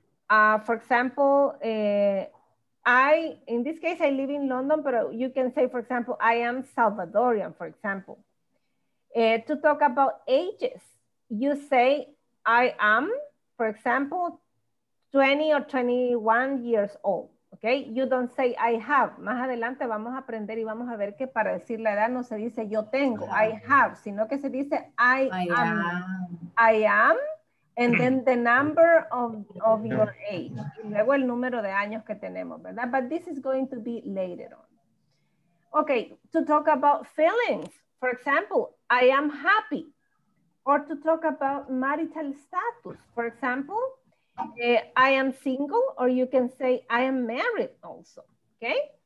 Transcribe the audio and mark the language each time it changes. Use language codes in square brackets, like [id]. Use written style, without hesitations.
[en] For example, in this case, I live in London, but you can say, for example, I am Salvadorian, for example. To talk about ages, you say, I am, for example, 20 or 21 years old. Okay, you don't say I have. [es] Más adelante vamos a aprender y vamos a ver que para decir la edad no se dice yo tengo, [en] I have, [es] sino que se dice [en] I am. I am, and then the number of your age. [es] Y luego el número de años que tenemos, ¿verdad? [en] But this is going to be later on. Okay, to talk about feelings. For example, I am happy. Or to talk about marital status. For example, I am single, or you can say I am married also, okay?